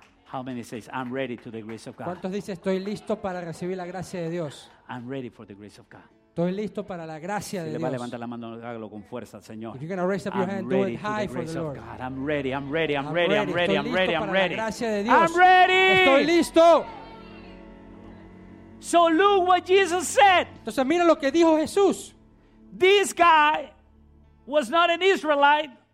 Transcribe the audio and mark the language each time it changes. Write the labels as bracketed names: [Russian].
[English] How many says I'm ready to the grace of God? [Spanish] ¿Cuántos dicen estoy listo para recibir la gracia de Dios? [English] I'm ready for the grace of God. [Spanish] Estoy listo para la gracia de Dios. Si le va, levanta la mano, hágalo con fuerza al Señor. [English] If you're going to raise up your hand, do it high for the Lord. I'm ready, I'm ready, I'm ready, I'm ready, I'm ready, I'm ready. [Spanish] Estoy listo para la gracia de Dios. [English] I'm ready. [Spanish] Estoy listo. [English] So look what Jesus said. [Spanish] Entonces mira lo que dijo Jesús. [English] This guy was not an Israelite.